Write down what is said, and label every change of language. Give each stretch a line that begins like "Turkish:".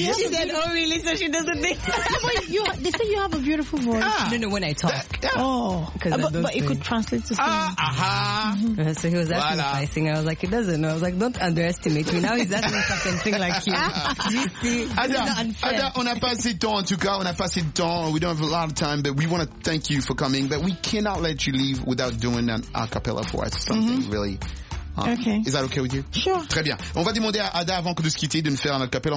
English: She said, oh, really? So she doesn't think. They say you have a beautiful voice. Yeah. No, when I talk. That, yeah. Oh. But it could translate to something. So he was asking if I sing. I was like, he doesn't know. I was like, don't underestimate me. Now he's asking if I can sing like you.
French: Ada, on a passé le temps, en tout cas. On a passé le temps.
English: We don't have a lot of time, but we want to thank you for coming. But we cannot let you leave without doing an a cappella for us. Something really. Okay. Is that okay with you? Sure.
French: Très bien. On va demander à Ada avant que de se quitter de nous faire un acapella.